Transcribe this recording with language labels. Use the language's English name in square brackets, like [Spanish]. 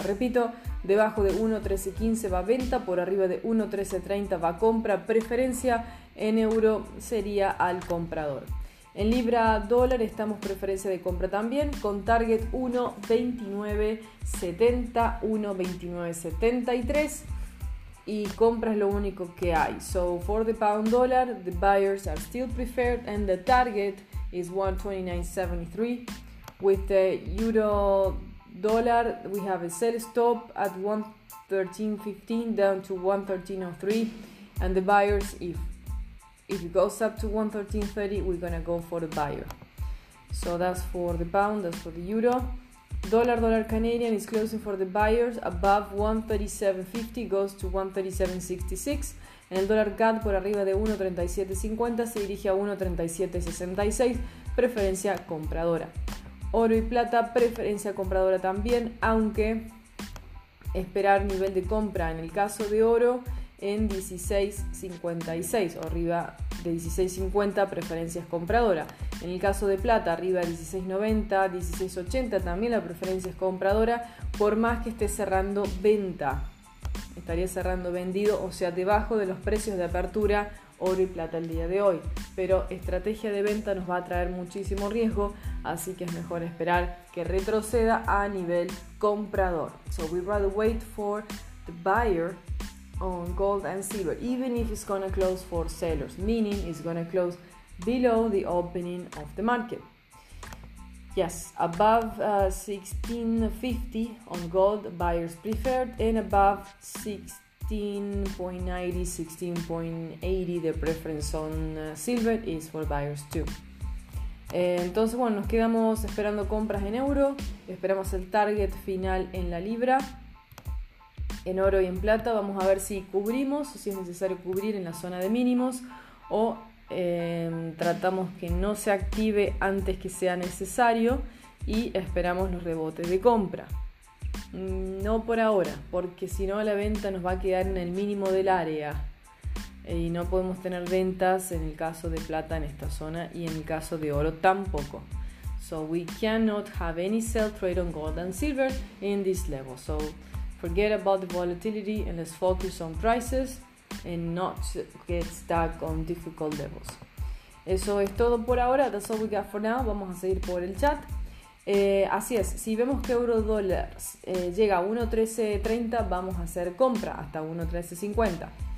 [Spanish] Repito, debajo de 1.1315 va venta, por arriba de 1.1330 va compra. Preferencia en euro sería al comprador. En libra dólar estamos preferencia de compra también, con target 1.2970, 1.2973. Y compra es lo único que hay. [English] So for the pound dollar, the buyers are still preferred and the target is 1.2973. With the euro dollar, we have a sell stop at 1.1315 down to 1.1303. And the buyers, if it goes up to 1.1330, we're gonna go for the buyer. So that's for the pound, that's for the euro. Dollar Canadian is closing for the buyers above 1.3750, goes to 1.3766. [Spanish] En el dólar CAD por arriba de 1.3750 se dirige a 1.3766, preferencia compradora. Oro y plata, preferencia compradora también, aunque esperar nivel de compra en el caso de oro en 16.56 o arriba de 16.50, preferencias compradora. En el caso de plata, arriba de 16.90, 16.80, también la preferencia es compradora, por más que esté cerrando venta. Estaría cerrando vendido, o sea, debajo de los precios de apertura oro y plata el día de hoy. Pero estrategia de venta nos va a traer muchísimo riesgo, así que es mejor esperar que retroceda a nivel comprador. [English] So we rather wait for the buyer on gold and silver, even if it's gonna close for sellers, meaning it's gonna close below the opening of the market. Yes, above 1650 on gold, buyers preferred, and above 16.90, 16.80, the preference on silver is for buyers too. [Spanish] Entonces, bueno, nos quedamos esperando compras en euro, esperamos el target final en la libra. En oro y en plata, vamos a ver si cubrimos, si es necesario cubrir en la zona de mínimos o tratamos que no se active antes que sea necesario y esperamos los rebotes de compra. No por ahora, porque si no la venta nos va a quedar en el mínimo del área y no podemos tener ventas en el caso de plata en esta zona y en el caso de oro tampoco. [English] So we cannot have any sell trade on gold and silver in this level. So forget about the volatility and let's focus on prices and not get stuck on difficult levels. [Spanish] Eso es todo por ahora. [English] That's all we got for now. [Spanish] Vamos a seguir por el chat. Así es, si vemos que euro dólar llega a 1.1330, vamos a hacer compra hasta 1.1350.